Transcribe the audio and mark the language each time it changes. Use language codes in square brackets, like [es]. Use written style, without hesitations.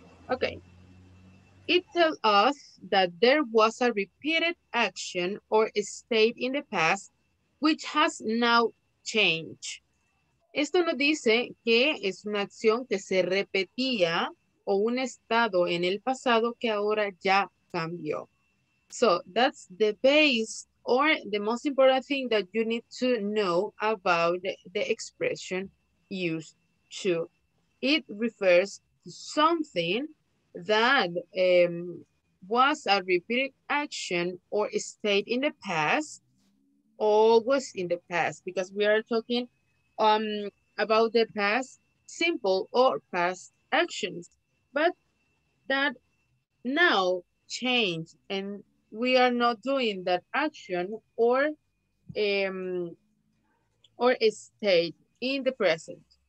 [en] okay, it tells us that there was a repeated action or a state in the past which has now changed. [es] Esto nos dice que es una acción que se repetía o un estado en el pasado que ahora ya cambió. [en] So that's the base or the most important thing that you need to know about the expression used to. It refers to something that was a repeated action or state in the past, always in the past, because we are talking about the past simple or past actions, but that now changed and we are not doing that action or state in the present.